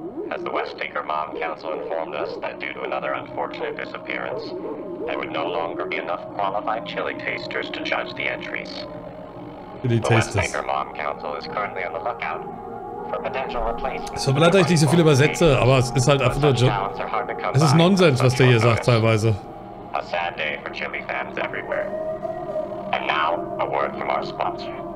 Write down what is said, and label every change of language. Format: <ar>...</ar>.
<en>As the Westacre Mob Council informed us that due to another unfortunate disappearance, there would no longer be enough qualified chili tasters to judge the entries. Chili the Westacre Mob Council is currently on the lookout for potential replacements.</en> <de>So blättert euch nicht so viel übersetze, aber es ist halt einfach nur es ist Nonsens, was der hier sagt teilweise.</de> <en>A sad day for chili fans everywhere. And now, a word from our sponsor.</en>